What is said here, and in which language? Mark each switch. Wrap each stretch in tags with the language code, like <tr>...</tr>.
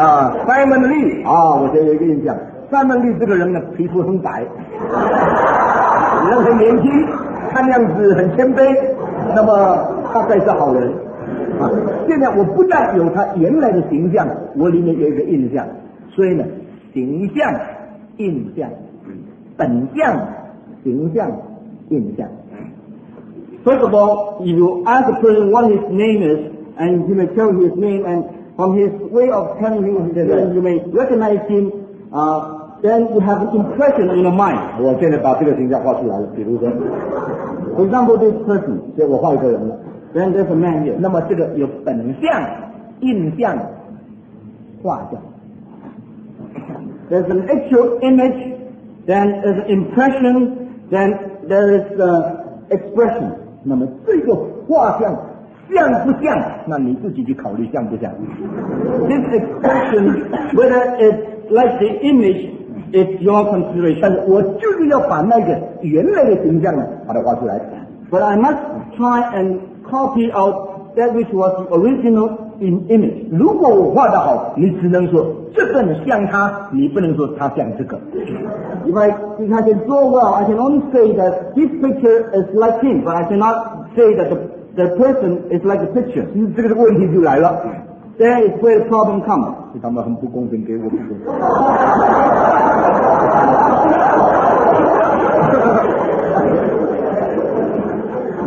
<zh>啊 ，Simon Lee. 啊，我现在有一个印象 ，Simon Lee 这个人呢，皮肤很白，人很年轻，看样子很谦卑，那么大概是好人。啊、现在我不但有他原来的形象，我里面有一个印象，所以呢，形象、印象、本相、形象、印象。</zh> <en>First of all, if you ask a person what his name is, and he may tell his name, and from his way of telling you his name, you may recognize him. Then you have an impression in your mind.</en> <zh>我现在把这个形象画出来了，比如说</zh> <en>，For example, this person.</en> <zh>现在我画一个人了。</zh> <en>Then there's a man here.</en> <zh>那么这个有本相、印象、画像。</zh> <en>There's an actual image, then there's an impression, then there is an expression.</en> <zh>那么这个画像像不像？那你自己去考虑像不像。</zh> <en>This expression, whether it's like the image, it's your consideration.</en> <zh>但是我就是要把那个原来的形象呢，把它画出来。</zh> <en>But I must try and copy out that which was original in image.</en> <zh>如果我画得好，你只能说这个像他，你不能说他像这个。</zh> <en>If I can draw well, I can only say that this picture is like him, but I cannot say that the person is like the picture.</en> <zh>这个问题就来了。</zh> <en>There is where the problem comes.</en> <zh>他们很不公平，给我不公平。</zh>